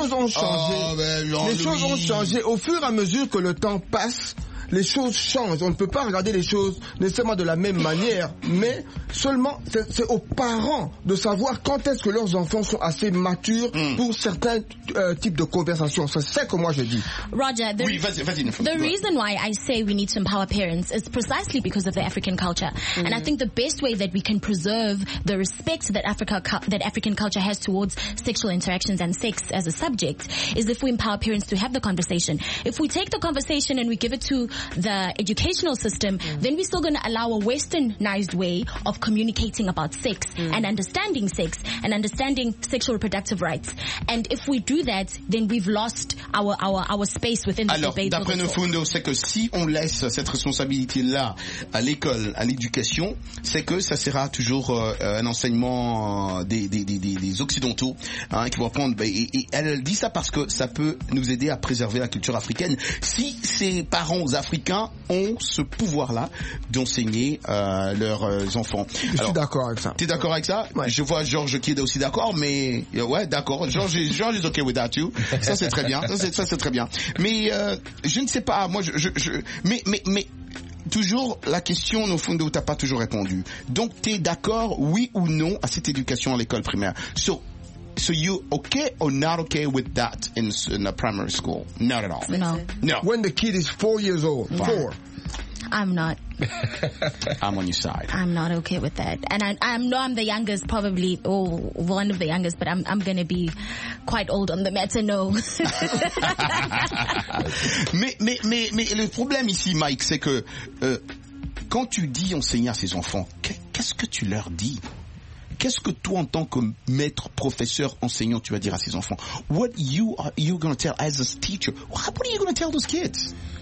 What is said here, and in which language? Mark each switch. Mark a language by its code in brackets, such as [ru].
[fr] les choses ont changé au fur et à mesure que le temps passe. Les choses changent. On ne peut pas regarder les choses nécessairement de la même manière, mais seulement, c'est aux parents de savoir quand est-ce que leurs enfants sont assez matures pour certains types de conversations. C'est ça que moi je dis. [en] Roger, the reason why I say we need to empower parents is precisely because of the African culture. Mm-hmm. And I think the best way that we can preserve the respect that African culture has towards sexual interactions and sex as a subject is if we empower parents to have the conversation. If we take the conversation and we give it to the educational system, then we're still going to allow a westernized way of communicating about sex and understanding sex and understanding sexual reproductive rights. And if we do that, then we've lost our space within the [fr] alors, [en] debate. [fr] D'après nos fondos, c'est que si on laisse cette responsabilité là à l'école, à l'éducation, c'est que ça sera toujours un enseignement des occidentaux qui vont prendre. Et elle dit ça parce que ça peut nous aider à préserver la culture africaine. Si ces parents africains ont ce pouvoir-là d'enseigner leurs enfants. Alors, je suis d'accord avec ça. T'es d'accord avec ça? Ouais. Je vois Georges qui est aussi d'accord, mais ouais, d'accord. [en] Georges is okay with that too. [fr] Ça c'est très bien. Ça c'est très bien. Mais je ne sais pas. Moi, mais toujours la question au fond de où t'as pas toujours répondu. Donc t'es d'accord, oui ou non, à cette éducation à l'école primaire? [en] So you okay or not okay with that in a primary school? Not at all. No. When the kid is 4 years old, fine. Four. I'm not. I'm on your side. I'm not okay with that. And I'm the youngest, probably, or one of the youngest, but I'm going to be quite old on the matter, no. [fr] mais le problème ici, Mike, c'est que quand tu dis enseigner à ces enfants, qu'est-ce que tu leur dis? Qu'est-ce que toi, en tant que maître, professeur, enseignant, tu vas dire à ces enfants? [en] What you going to tell as a teacher? What are you going to tell those kids?